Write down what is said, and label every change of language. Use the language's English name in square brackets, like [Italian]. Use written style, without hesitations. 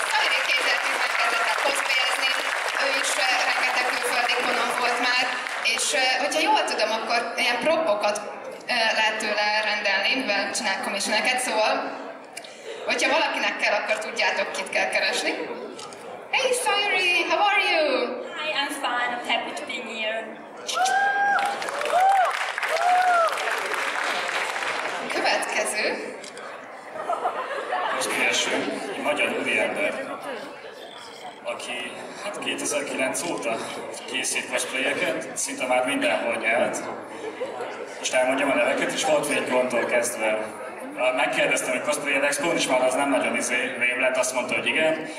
[Hungarian] Sayuri 2010-ben kezdett el cosplayezni, ő is rengeteg külföldi konon volt már, és hogyha jól tudom, akkor ilyen propokat lehet tőle rendelni, mivel csinál commissioneket, szóval, hogyha valakinek kell, akkor tudjátok, kit kell keresni. [English] Hey Sayuri, how are you? Hi, I'm fine, I'm happy to be here. [Hungarian] Most első, egy magyar úriember, aki hát 2009 óta készít cosplayeket, szinte már mindenhol nyert. Most elmondjam a neveket, és volt Vénygondtól kezdve. Megkérdeztem, hogy cosplayer expón is már az nem nagyon rém lett, azt mondta, hogy igen.